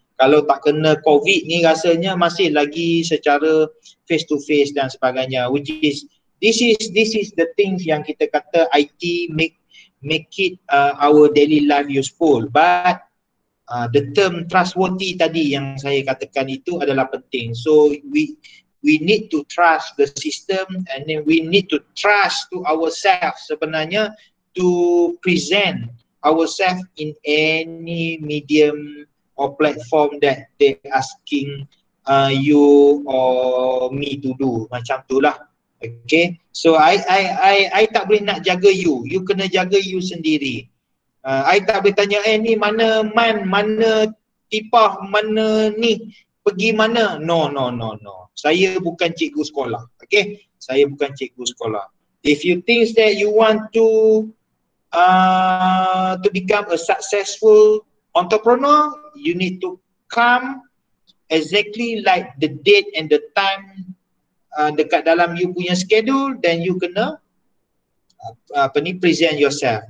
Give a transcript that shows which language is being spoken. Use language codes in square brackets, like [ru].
[ms] Kalau tak kena COVID ni rasanya masih lagi secara [en] face to face [ms] dan sebagainya, [en] which is this is the things yang kita kata IT make it our daily life useful. But the term trustworthy [ms] tadi yang saya katakan itu adalah penting. [en] So we need to trust the system, and then we need to trust to ourselves [ms] sebenarnya [en] to present ourselves in any medium or platform that they asking you or me to do. [ms] Macam tu lah. Okay, so I tak boleh nak jaga you. You kena jaga you sendiri. I tak boleh tanya, ni mana man, mana tipah, mana ni, pergi mana. No. Saya bukan cikgu sekolah. Okay, saya bukan cikgu sekolah. [en] If you think that you want to become a successful entrepreneur, you need to come exactly like the date and the time [ms] dekat dalam you punya [en] schedule, then you [ms] kena apa ni, [en] present yourself.